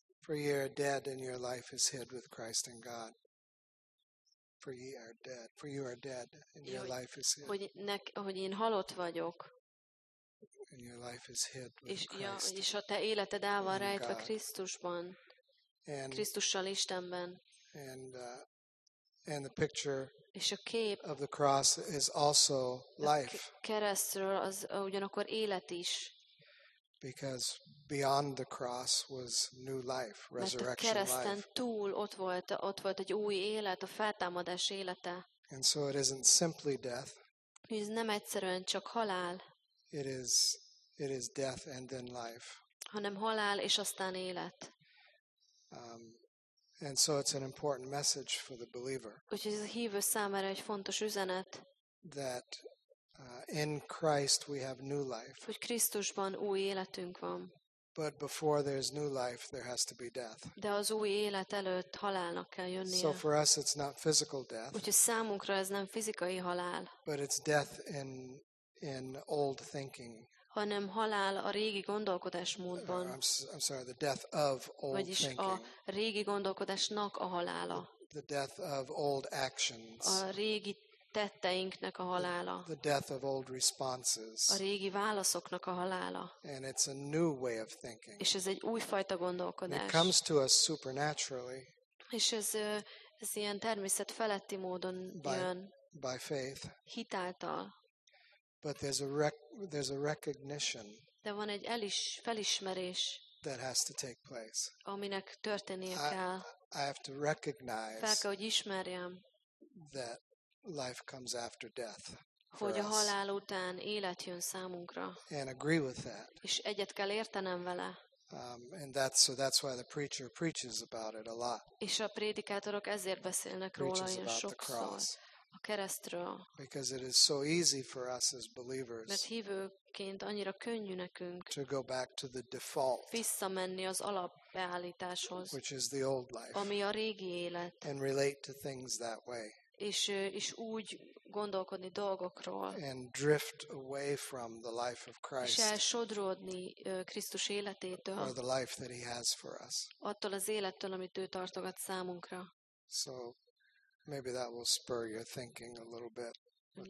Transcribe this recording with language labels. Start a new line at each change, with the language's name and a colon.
English: For ye are dead, and your life is hid with Christ in God. For ye are dead. For you are dead, and your life is hid.
Hungarian: Hogy én halott vagyok.
English: And your life is hid with Christ.
Hungarian: És a te életed el van rejtve Krisztusban. Krisztussal Istenben.
English: And the picture
Hungarian: és a kép
English: of the cross is also life.
Hungarian: Keresztről az ugyanakkor élet is.
English: Because beyond the cross was new life, resurrection life.
Hungarian: Mert a kereszten
English: life.
Hungarian: Túl ott volt egy új élet, a feltámadás élete.
English: And so it isn't simply death.
Hungarian: Ez nem egyszerűen csak halál.
English: It is death and then life.
Hungarian: Hanem halál és aztán élet.
English: And so it's an important message for the believer. Which is
Hungarian: a hívő számára egy fontos üzenet.
English: That in Christ we have new life.
Hungarian: Hogy Krisztusban új életünk van.
English: But before there's new life, there has to be death.
Hungarian: De az új élet előtt halálnak kell jönnie.
English: So for us, it's not physical death.
Hungarian: Úgy számunkra ez nem fizikai halál.
English: But it's death in old thinking.
Hungarian: Hanem halál a régi gondolkodásmódban.
English: I'm sorry, the death of old
Hungarian: vagyis
English: thinking.
Hungarian: A régi gondolkodásnak a halála.
English: The death of old actions.
Hungarian: A régi tetteinknek a halála.
English: The death of old responses.
Hungarian: A régi válaszoknak a halála.
English: And it's a new way of thinking.
Hungarian: És ez egy újfajta gondolkodás.
English: It comes to us supernaturally.
Hungarian: És ez ilyen természet feletti módon jön.
English: By faith.
Hungarian: Hit által.
English: But there's a recognition.
Hungarian: De van egy felismerés.
English: That has to take place.
Hungarian: Aminek történnie kell.
English: I have to recognize.
Hungarian: Fel kell, hogy ismerjem.
English: That life comes after death.
Hungarian: Hogy a halál után élet jön számunkra.
English: And agree with that.
Hungarian: És egyet kell értenem vele.
English: And that's why the preacher preaches about it a lot.
Hungarian: És a prédikátorok ezért beszélnek róla ilyen sokszor. A keresztről.
English: Because it is so easy for us as believers.
Hungarian: Mert hívőként annyira könnyű nekünk.
English: To go back to the default.
Hungarian: Visszamenni az alapbeállításhoz.
English: Which is the old life.
Hungarian: Ami a régi élet.
English: And relate to things that way.
Hungarian: És úgy gondolkodni dolgokról.
English: And drift away from the life of Christ.
Hungarian: És elsodródni Krisztus életétől.
English: Or the life that he has for us.
Hungarian: Attól az élettől, amit ő tartogat számunkra.
English: So maybe that will spur your thinking a little bit with